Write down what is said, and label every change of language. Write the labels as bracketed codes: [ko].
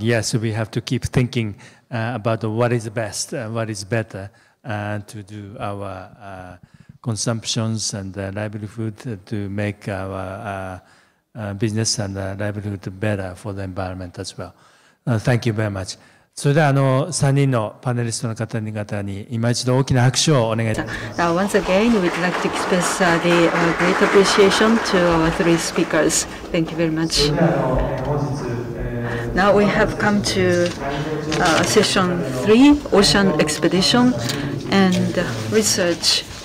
[en] Yes, we have to keep thinking about what is best, what is better, to do our consumptions and livelihood, to make our business and livelihood better for the environment as well. Thank you very much. [ja] それではあの3人のパネリストの方々に今一度大きな拍手をお願いします。 [en] Once again, we'd like to express the great appreciation to our three speakers. Thank you very much. Now we have come to session 3, Ocean Expedition and Research.